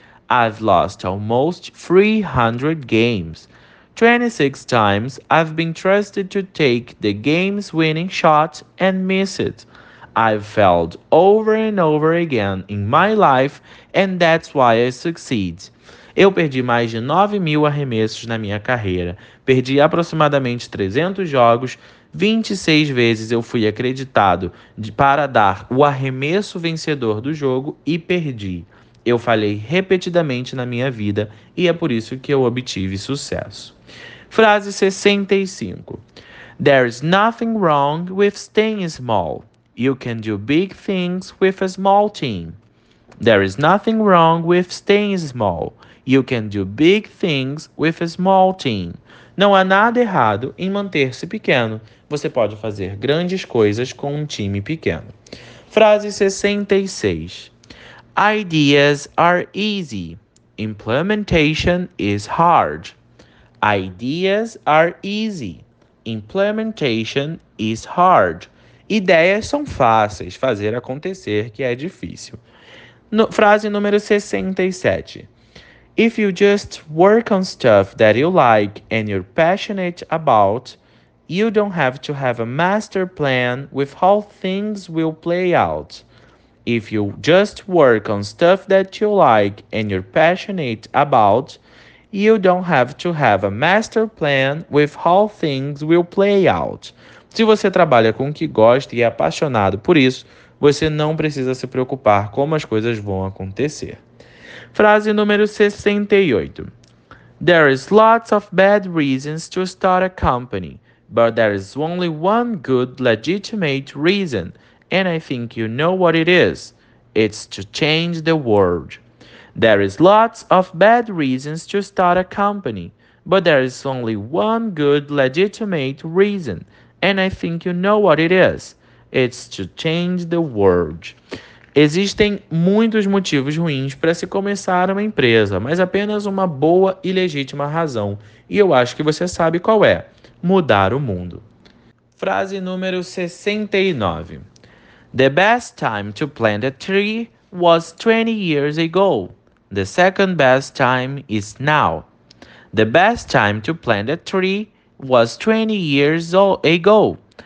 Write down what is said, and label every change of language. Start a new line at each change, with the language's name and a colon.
English: I've lost almost 300 games. 26 times I've been trusted to take the game's winning shot and miss it. I've failed over and over again in my life, and that's why I succeed.
Portuguese: Eu perdi mais de 9 mil arremessos na minha carreira. Perdi aproximadamente 300 jogos. 26 vezes eu fui acreditado para dar o arremesso vencedor do jogo e perdi. Eu falhei repetidamente na minha vida e é por isso que eu obtive sucesso. Frase 65.
English: There is nothing wrong with staying small. You can do big things with a small team. There is nothing wrong with staying small. You can do big things with a small team.
Portuguese: Não há nada errado em manter-se pequeno. Você pode fazer grandes coisas com um time pequeno. Frase 66.
English: Ideas are easy. Implementation is hard. Ideas are easy. Implementation is hard.
Portuguese: Ideias são fáceis, fazer acontecer que é difícil. Frase número 67.
English: If you just work on stuff that you like and you're passionate about, you don't have to have a master plan with how things will play out. If you just work on stuff that you like and you're passionate about, you don't have to have a master plan with how things will play out.
Portuguese: Se você trabalha com o que gosta e é apaixonado por isso, você não precisa se preocupar como as coisas vão acontecer. Frase número 68.
English: There is lots of bad reasons to start a company, but there is only one good legitimate reason, and I think you know what it is. It's to change the world. There is lots of bad reasons to start a company, but there is only one good legitimate reason, and I think you know what it is. It's to change the world.
Portuguese: Existem muitos motivos ruins para se começar uma empresa, mas apenas uma boa e legítima razão, e eu acho que você sabe qual é: mudar o mundo. Frase número 69.
English: The best time to plant a tree was 20 years ago. The second best time is now. The best time to plant a tree was 20 years ago.